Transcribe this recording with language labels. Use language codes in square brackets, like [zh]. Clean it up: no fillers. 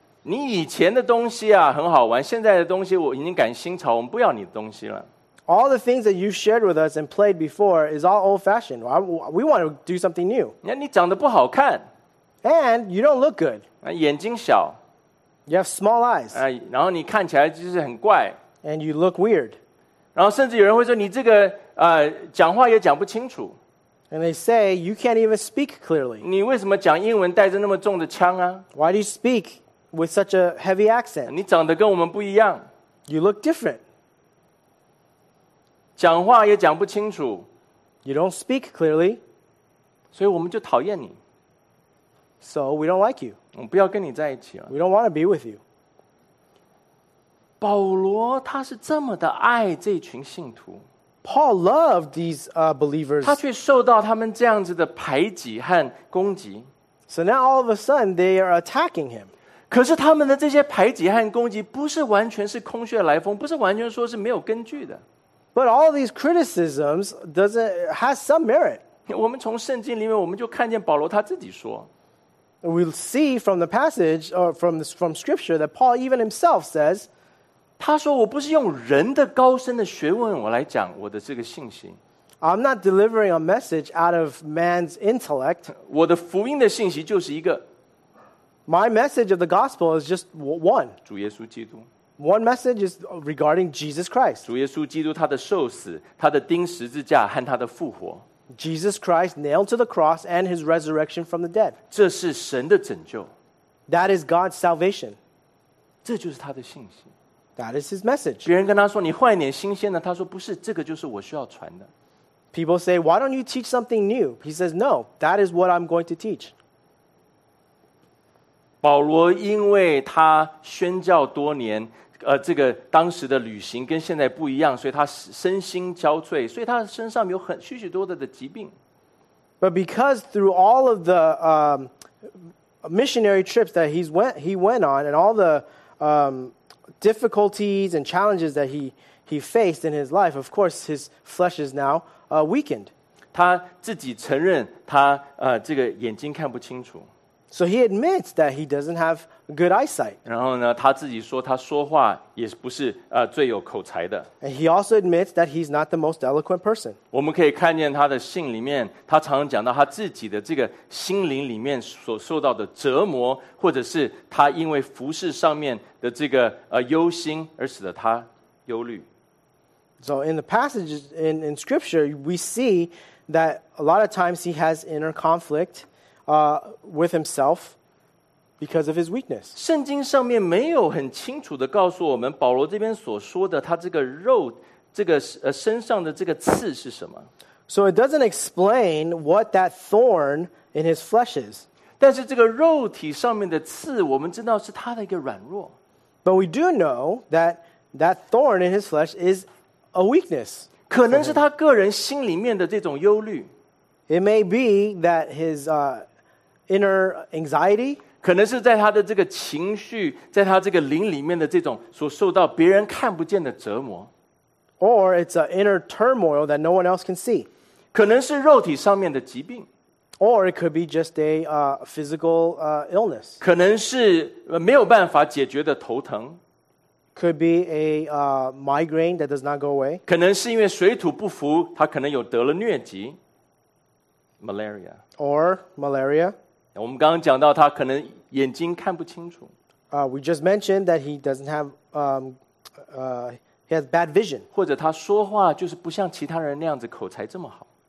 [zh] 你以前的东西啊很好玩，现在的东西我已经赶新潮，我们不要你的东西了。 [en] All the things that you've shared with us and played before is all old-fashioned. We want to do something new. [zh] 你长得不好看。 [en] And you don't look good. [zh] 眼睛小。 [en] You have small eyes. [zh] 然后你看起来就是很怪。 [en] And you look weird. [zh] 然后甚至有人会说你这个讲话也讲不清楚。 [en] And they say you can't even speak clearly. [zh] 你为什么讲英文带着那么重的腔啊？ [en] Why do you speak with such a heavy accent? [zh] 你长得跟我们不一样。 [en] You look different. [zh] 讲话也讲不清楚 [en] ，You don't speak clearly， [zh] 所以我们就讨厌你 [en] ，So we don't like you， [zh] 我们不要跟你在一起了 [en] ，We don't want to be with you。 [zh] 保罗他是这么的爱这群信徒 [en] ，Paul loved these believers， [zh] 他却受到他们这样子的排挤和攻击 [en] ，So now all of a sudden they are attacking him。 [zh] 可是他们的这些排挤和攻击不是完全是空穴来风，不是完全说是没有根据的。 [en] But all these criticisms has some merit. [zh] 我们从圣经里面我们就看见保罗他自己说。 [en] We see from the passage or from scripture that Paul even himself says, [zh] 他说我不是用人的高深的学问我来讲我的这个信心。 [en] I'm not delivering a message out of man's intellect. [zh] 我的福音的信息就是一个。 [en] My message of the gospel is just one. [zh] 主耶稣基督。 [en] One message is regarding Jesus Christ. [zh] 主耶稣基督他的受死，他的钉十字架和他的复活。 [en] Jesus Christ nailed to the cross and his resurrection from the dead. [zh] 这是神的拯救。 [en] That is God's salvation. [zh] 这就是他的信息。 [en] That is his message. [zh] 别人跟他说你换一点新鲜的，他说不是，这个就是我需要传的。 [en] People say, why don't you teach something new? He says, no, that is what I'm going to teach. [zh] 保罗因为他宣教多年，这个当时的旅行跟现在不一样，所以他身心交瘁，所以他身上有很许许多多的疾病。 [en] But because through all of the missionary trips that he went on, and all the difficulties and challenges that he faced in his life, of course his flesh is now weakened. [zh] 他自己承认他这个眼睛看不清楚。 [en] So he admits that he doesn't have good eyesight. [zh] 然后呢，他自己说他说话也不是最有口才的。 [en] And he also admits that he's not the most eloquent person. [zh] 我们可以看见他的信里面，他常常讲到他自己的这个心灵里面所受到的折磨，或者是他因为服事上面的这个忧心而使得他忧虑。 [en] So in the passages in scripture, we see that a lot of times he has inner conflict with himself because of his weakness. [zh] 圣经上面没有很清楚地告诉我们保罗这边所说的他这个肉这个身上的这个刺是什么。 [en] So it doesn't explain what that thorn in his flesh is. [zh] 但是这个肉体上面的刺我们知道是他的一个软弱。 [en] But we do know that that thorn in his flesh is a weakness. [zh] 可能是他个人心里面的这种忧虑。 [en] It may be that his inner anxiety. [zh] 可能是在他的这个情绪在他这个灵里面的这种所受到别人看不见的折磨。 [en] Or it's an inner turmoil that no one else can see. [zh] 可能是肉体上面的疾病。 [en] Or it could be just a physical illness. [zh] 可能是没有办法解决的头疼。 [en] Could be a migraine that does not go away. [zh] 可能是因为水土不服他可能有得了疟疾。 [en] Malaria. Or malaria. [zh] 我们刚刚讲到他可能眼睛看不清楚。 [en] We just mentioned that he doesn't have... He has bad vision. [zh] 或者他说话就是不像其他人那样子口才这么好。